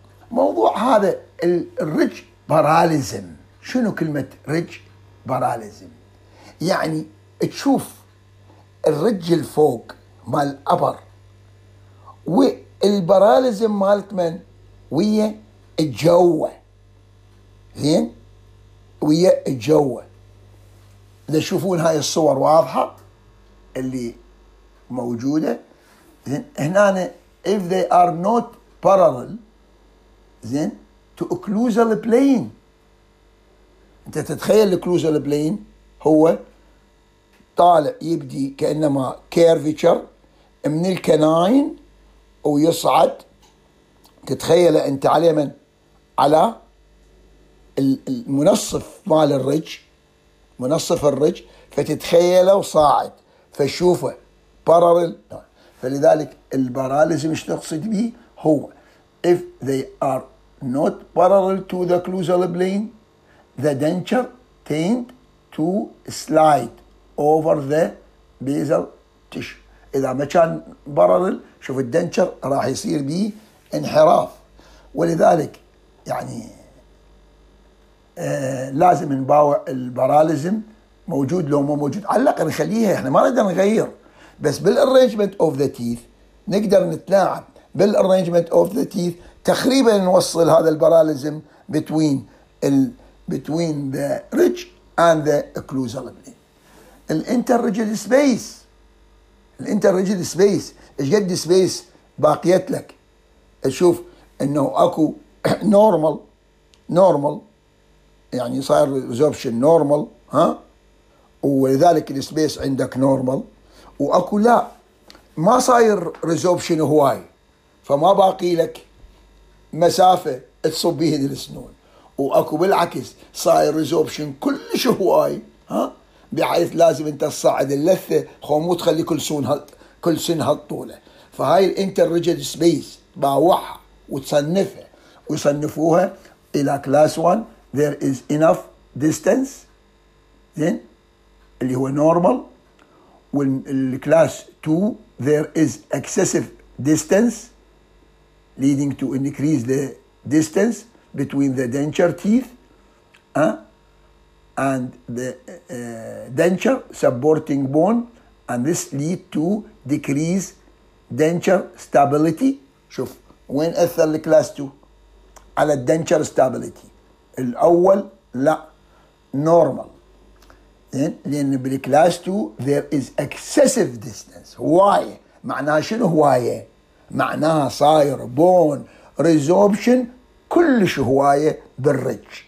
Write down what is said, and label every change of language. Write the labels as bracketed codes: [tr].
[ar] موضوع هذا الريج باراليزم، شنو كلمة ريج باراليزم؟ يعني تشوف الريج الفوق مال أبر والباراليزم مالت من ويا الجوة، زين ويا الجوة. إذا تشوفون هاي الصور واضحة اللي موجودة هنا، [en] if they are not parallel then to occlusal plane. [ar] انت تتخيل occlusal plane هو طالع يبدي كأنما curvature من الكناين ويصعد، تتخيل انت عليه من على المنصف مال الرج، منصف الرج، فتتخيله وصاعد فشوفه parallel. فلذلك الباراليزم ايش نقصد به هو [en] if they are not parallel to the occlusal plane the denture tend to slide over the basal tissue. [ar] اذا ما كان parallel شوف الدنشر راح يصير به انحراف، ولذلك يعني لازم نباوع الباراليزم موجود لو مو موجود على الاقل نخليها، احنا ما نقدر نغير، بس [en] بالارنجمنت of the teeth [ar] نقدر نتلاعب بالارنجمنت اوف ذا تيث تقريبا نوصل هذا الباراليزم بتوين [en] between the rich and the occlusal lining. [ar] الانترجل سبيس، الانترجل سبيس، ايش قد سبيس باقيت لك؟ اشوف انه اكو نورمال، نورمال يعني صار ريزوربشن نورمال، ها، ولذلك السبيس عندك نورمال، واكو لا ما صاير ريزوربشن هواي، فما باقي لك مسافه تصب بيها السنون، واكو بالعكس صاير ريزوربشن كلش هواي، ها، بحيث لازم انت تصعد اللثه خو مو تخلي كل سن كل سن هالطوله. [en] فهاي الانتر ريجيد سبيس [ar] باوعها وتصنفها ويصنفوها الى [en] Class 1 there is enough distance then اللي هو normal، والكلاس 2 there is excessive distance leading to increase the distance between the denture teeth and the denture supporting bone and this lead to decrease denture stability. [ar] شوف وين اثر الكلاس 2 على الدنشر ستابيليتي. الاول لا نورمال، لان بالكلاس 2 [en] there is excessive distance, [ar] هوايه معناها شنو هوايه؟ معناها صاير بون ريزوربشن كلش هوايه بالرج.